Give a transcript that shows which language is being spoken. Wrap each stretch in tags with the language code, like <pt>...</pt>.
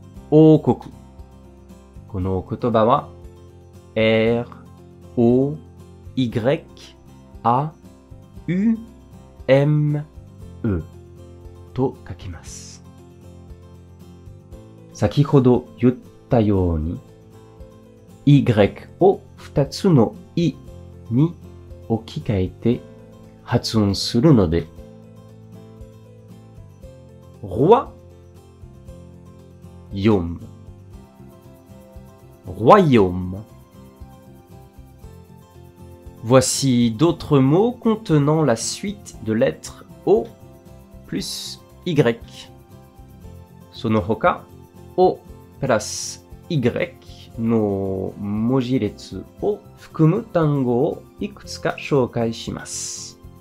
<ja>王国. この言葉はR, O, Y, A, U, M, E と書きます。先ほど言ったように、Y を2つの I に置き換えて発音するので、</ja> <fr>roi, yom, royaume. Voici d'autres mots contenant la suite de lettres O plus Y.</fr> <ja>その他、O プラス Y の文字列を含む単語をいくつか紹介します。</ja>